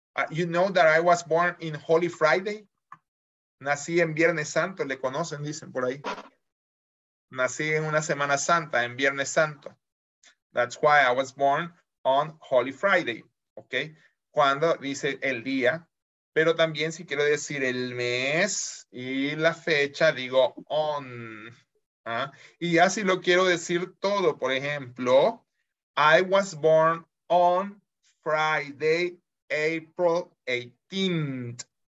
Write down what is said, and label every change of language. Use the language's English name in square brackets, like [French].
[English] You know that I was born in Holy Friday? [Spanish] Nací en Viernes Santo, le conocen, dicen por ahí. Nací en una Semana Santa, en Viernes Santo. [English] That's why I was born on Holy Friday, okay? [Spanish] Cuando dice el día, pero también si quiero decir el mes y la fecha, digo on. Y ya si lo quiero decir todo, por ejemplo, [English] I was born on Friday, April 18th.